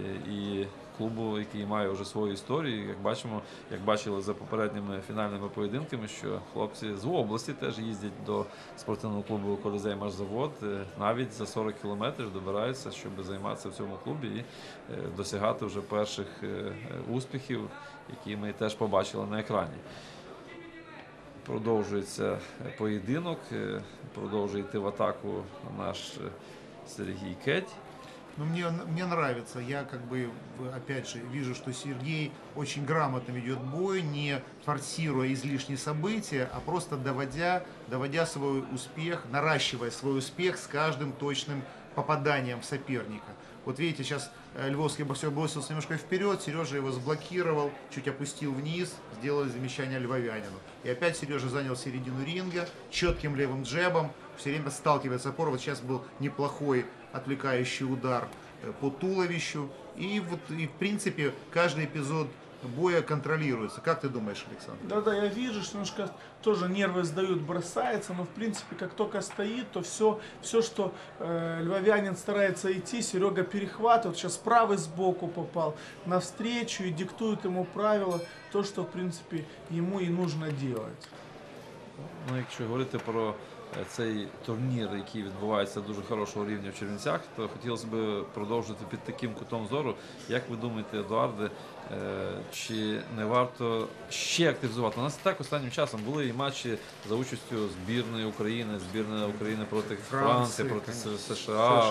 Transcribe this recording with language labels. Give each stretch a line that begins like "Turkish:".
Ukrainian: І клубу, який має вже свою історію, як бачимо, як бачили за попередніми фінальними поєдинками, що хлопці з області теж їздять до спортивного клубу «Колізей Машзавод», навіть за 40 кілометрів добираються, щоб займатися в цьому клубі і досягати вже перших успіхів, які ми теж побачили на екрані. Продовжується поєдинок, продовжує йти в атаку наш Сергій Кеть.
Russian: Ну, мне нравится. Я как бы, опять же, вижу, что Сергей очень грамотно ведет бой, не форсируя излишние события, а просто доводя свой успех, наращивая свой успех с каждым точным попаданием в соперника. Вот видите, сейчас львовский боксер бросился немножко вперед, Сережа его заблокировал, чуть опустил вниз, сделал замечание львовянину. И опять Сережа занял середину ринга четким левым джебом, все время сталкивается опор. Вот сейчас был неплохой отвлекающий удар по туловищу. И вот, и в принципе, каждый эпизод боя контролируется. Как ты думаешь, Александр? Да, я вижу, что немножко тоже нервы сдают, бросается, но в принципе, как только стоит, то все, что львовянин старается идти, Серега перехватывает, сейчас правый сбоку попал, навстречу, и диктует ему правила, то, что в принципе ему и нужно делать. Ну, если говорить про
Ukrainian: цей турнір, який відбувається дуже хорошого рівня в Чернівцях, то хотілося б продовжити під таким кутом зору. Як ви думаєте, Едуарде, чи не варто ще активізувати? У нас так останнім часом були і матчі за участю збірної України проти Франції, проти США,